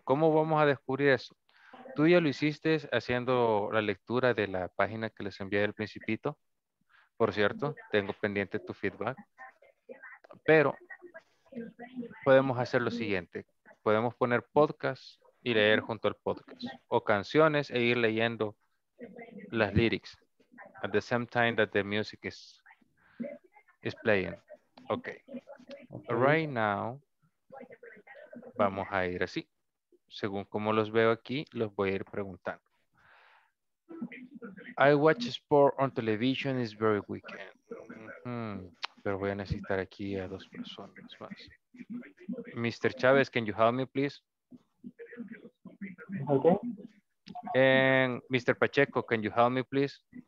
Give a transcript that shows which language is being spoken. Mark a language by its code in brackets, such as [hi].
[es] ¿Cómo vamos a descubrir eso? ¿Tú ya lo hiciste haciendo la lectura de la página que les envié del principito? Por cierto, tengo pendiente tu feedback. Pero podemos hacer lo siguiente. Podemos poner podcast y leer junto al podcast. O canciones e ir leyendo las lyrics. [en] At the same time that the music is playing. Okay. Right now, [es] vamos a ir así. Según como los veo aquí, los voy a ir preguntando. [en] I watch sport on television this very weekend. [es] Pero voy a necesitar aquí a dos personas más. [en] Mr. Chávez, can you help me, please? Okay. And Mr. Pacheco, can you help me, please?